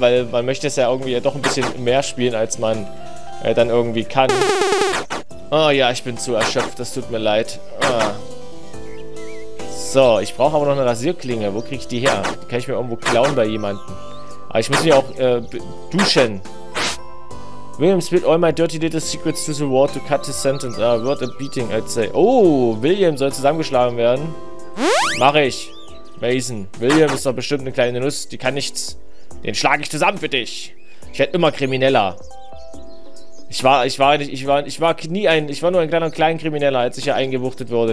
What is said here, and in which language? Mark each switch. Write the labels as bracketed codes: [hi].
[de] Weil man möchte es ja irgendwie ja doch ein bisschen mehr spielen, als man... dann irgendwie kann. Oh ja, ich bin zu erschöpft. Das tut mir leid. Ah. So, ich brauche aber noch eine Rasierklinge. Wo kriege ich die her? Die kann ich mir irgendwo klauen bei jemandem. Aber ich muss mich auch duschen. [en] William spilled all my dirty little secrets to the wall to cut his sentence. Worth a beating, I'd say. [de] Oh, William soll zusammengeschlagen werden. Mach ich. Mason. William ist doch bestimmt eine kleine Nuss. Die kann nichts. Den schlage ich zusammen für dich. Ich werde immer krimineller. Ich war nur ein kleiner Krimineller, als ich hier eingebuchtet wurde.